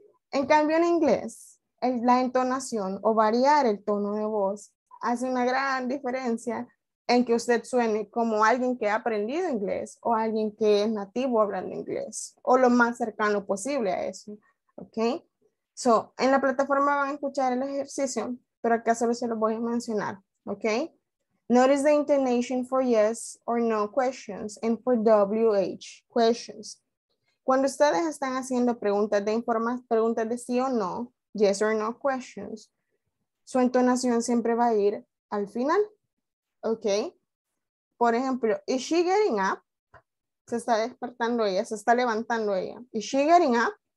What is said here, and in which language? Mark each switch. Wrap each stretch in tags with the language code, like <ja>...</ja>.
<es>En cambio, en inglés, la entonación o variar el tono de voz hace una gran diferencia en que usted suene como alguien que ha aprendido inglés o alguien que es nativo hablando inglés o lo más cercano posible a eso, ¿ok? So, en la plataforma van a escuchar el ejercicio, pero acá solo se lo voy a mencionar, ¿ok?</es> <en>Notice the intonation for yes or no questions and for WH questions.</en> <es>Cuando ustedes están haciendo preguntas de preguntas de sí o no,</es> <en>yes or no questions,</en> <es>su entonación siempre va a ir al final. ¿Ok? Por ejemplo,</es> <en>is she getting up?</en> <es>Se está despertando ella, se está levantando ella.</es> <en>Is she getting up?</en>